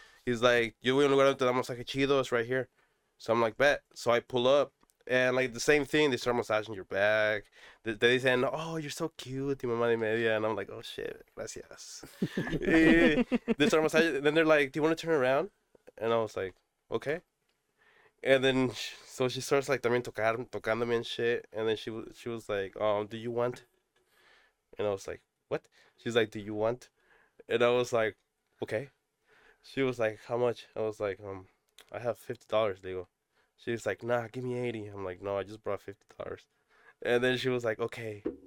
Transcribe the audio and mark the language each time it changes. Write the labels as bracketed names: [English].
[English] He's like, [Spanish] yo voy a un lugar donde te da un masaje chido, [English] it's right here. So I'm like, bet. So I pull up, and like the same thing, they start massaging your back. They say, oh, you're so cute, [Spanish] tu mamá de media. [English] And I'm like, oh shit, gracias. They start massaging, then they're like, do you want to turn around? And I was like, okay. And then, so she starts like, [Spanish] también tocando me [English] and shit. And then she was like, do you want? And I was like, what? She's like, do you want? And I was like, okay. She was like, how much? I was like, I have $50 legal. She's like, nah, give me 80. I'm like, no, I just brought $50. And then she was like, okay.